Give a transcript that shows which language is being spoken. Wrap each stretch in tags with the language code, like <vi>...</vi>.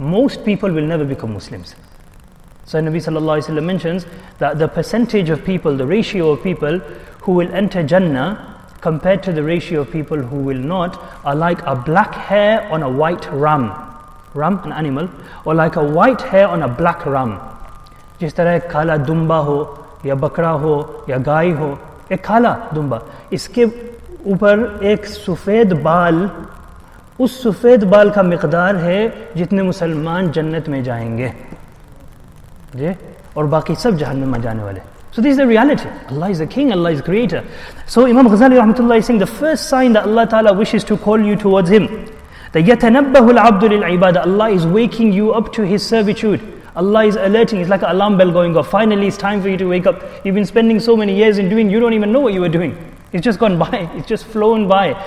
<en>Most people will never become Muslims. So Nabi sallallahu alayhi wa sallam mentions that the percentage of people, the ratio of people who will enter Jannah compared to the ratio of people who will not are like a black hair on a white ram. Ram, an animal. Or like a white hair on a black ram.</en> <ur>جس طرح کالا دمبا ہو یا بکرا ہو یا گائے ہو, ایک کالا دمبا, اس کے اوپر ایک سفید بال, اس سفید بال کا مقدار ہے جتنے مسلمان جنت میں جائیں گے جی, اور باقی سب جہنم میں جانے والے.</ur> <en>So this is the reality. Allah is the king, Allah is the creator. So Imam Ghazali rahmatullah is saying the first sign that Allah Ta'ala wishes to call you towards him, the</en> <ar>yatanabbahu al-abdu lil-ibadah,</ar> <en>Allah is waking you up to his servitude. Allah is alerting, it's like an alarm bell going off. Finally, it's time for you to wake up. You've been spending so many years in doing, you don't even know what you were doing. It's just gone by, it's just flown by.</en>